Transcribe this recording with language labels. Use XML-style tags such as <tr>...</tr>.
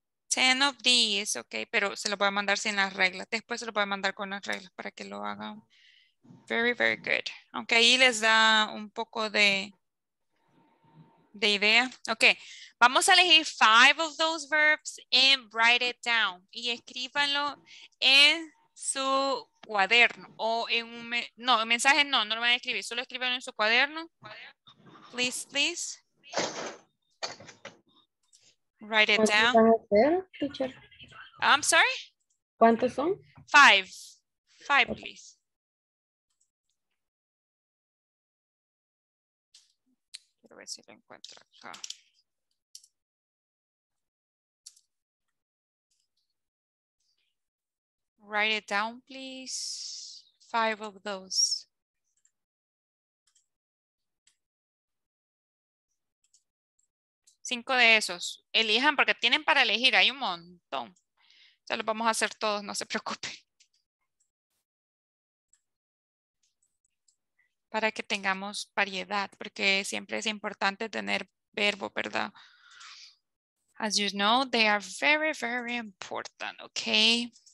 <es>10</es> <en>of these,</en> <es>ok, pero se lo voy a mandar sin las reglas. Después se lo voy a mandar con las reglas para que lo hagan.</es> <en>Very, very good.</en> <es>Aunque ahí les da un poco de idea.</es> <en>Ok,</en> <es>vamos a elegir</es> <en>5 of those verbs and write it down.</en> <es>Y escríbanlo en su cuaderno o en un mensaje, no lo van a escribir, solo escriban en su cuaderno.</es> <en>Please write it down. I'm sorry,</en> <es>¿cuántos son?</es> <en>5, please.</en> <es>Quiero ver si lo encuentro acá.</es> <en>Write it down, please. 5 of those.</en> <es>Cinco de esos. Elijan porque tienen para elegir. Hay un montón. Ya los vamos a hacer todos, no se preocupen. Para que tengamos variedad, porque siempre es importante tener verbo, ¿verdad?</es> <en>As you know, they are very, very important, okay?</en>